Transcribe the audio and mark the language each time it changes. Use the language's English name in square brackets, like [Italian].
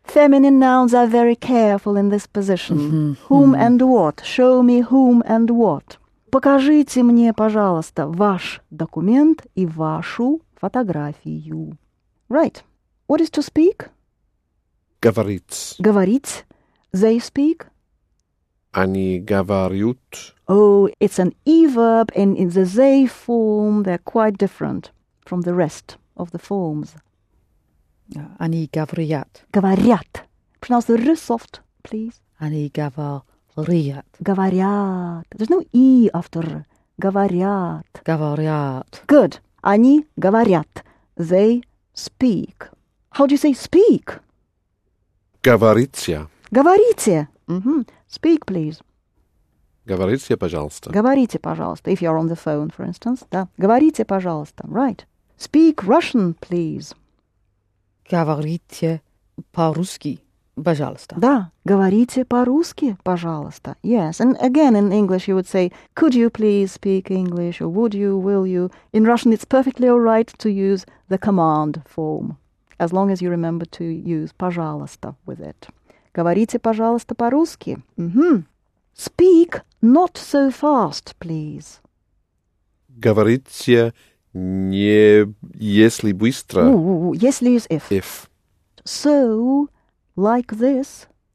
[English] Feminine nouns are very careful in this position. Mm-hmm. Whom mm-hmm. and what? Show me whom and what. [Russian] Покажите мне, пожалуйста, ваш документ и вашу фотографию. [English] Right. What is to speak? [Russian] Говорить. Говорить. [English] They speak? [Russian] Они говорят. [English] Oh, it's an e verb, and in the they form, they're quite different from the rest of the forms. [Russian] Они говорят. Говорят. [English] Pronounce the r soft, please. [Russian] Они говорят. Говорят. [English] There's no e after r. Говорят. [Russian] Говорят. [English] Good. [Russian] Они говорят. [English] They speak. How do you say speak? [Russian] Говорите. Говорите. [English] Mm-hmm. Speak, please. [Russian] Говорите, пожалуйста. Говорите, пожалуйста. [English] If you're on the phone, for instance. [Russian] Да. Говорите, пожалуйста. [English] Right. Speak Russian, please. [Russian] Говорите по-русски, пожалуйста. Да. Говорите по-русски, пожалуйста. [English] Yes. And again, in English, you would say, could you please speak English? Or would you, will you? In Russian, it's perfectly all right to use the command form, as long as you remember to use пожалуйста with it. [Russian] Говорите, пожалуйста, по-русски. [English] Mm-hmm. Speak not so fast, please. [Russian] Говорите не если быстро. [English] Ooh, если is if. If. So, like this.